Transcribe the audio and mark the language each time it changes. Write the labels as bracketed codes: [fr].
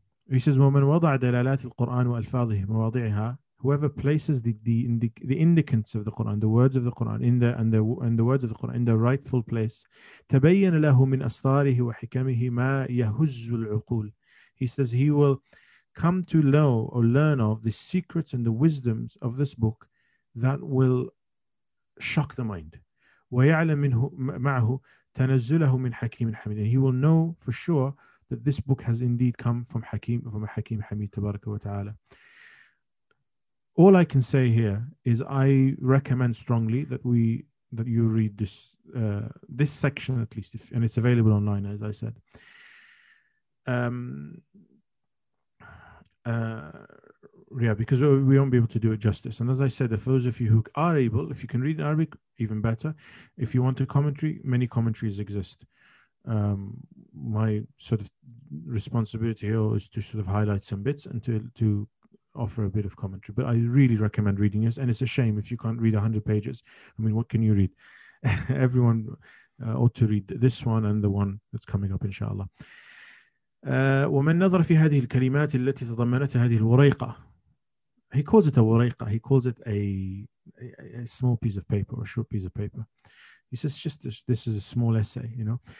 [en] He says, [ar] ومن وضع دلالات القرآن وألفاظه مواضعها, [en] whoever places the indicants of the Quran, the words of the Quran in the and the and the words of the Quran in the rightful place, [ar] تبين له من أسطاره وحكمه ما يهز العقول. [en] He says he will come to know or learn of the secrets and the wisdoms of this book that will shock the mind. [ar] ويعلم منه معه تنزله من حكيم حميد. [en] He will know for sure that this book has indeed come from Hakim, from a Hakim Hamid, Tabaraka wa Ta'ala. All I can say here is I recommend strongly that we that you read this this section at least, if, and it's available online, as I said. Yeah, because we won't be able to do it justice. And as I said, for those of you who are able, if you can read in Arabic, even better. If you want a commentary, many commentaries exist. My sort of responsibility here is to sort of highlight some bits and to offer a bit of commentary. But I really recommend reading this. And it's a shame if you can't read 100 pages. I mean, what can you read? Everyone ought to read this one and the one that's coming up, inshallah. [ar] ومن نظر في هذه الكلمات التي تضمنتها هذه الوريقة. [en] He calls it a وريقة. He calls it a small piece of paper or a short piece of paper. He says, just this is a small essay, you know.